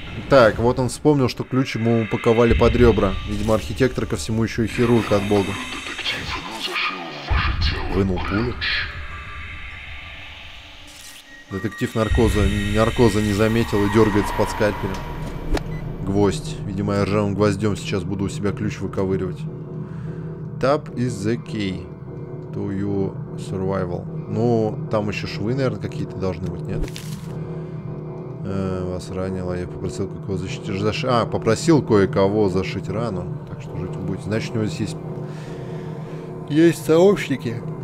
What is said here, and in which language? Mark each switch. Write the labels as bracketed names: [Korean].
[Russian] Так, вот он вспомнил, что ключ ему упаковали под ребра. Видимо, архитектор ко всему еще и хирург от бога. Вынул пулю. Детектив наркоза не заметил и дергается под скальпелем. Гвоздь. Видимо, я ржавым гвоздем сейчас буду у себя ключ выковыривать. [English] Tap is the key to your survival. [Russian] Ну, там еще швы, наверное, какие-то должны быть, нет? Вас ранило, я попросил кого защитить. Попросил кое-кого зашить рану. Так что жить вы будете. Значит, у него здесь есть сообщники.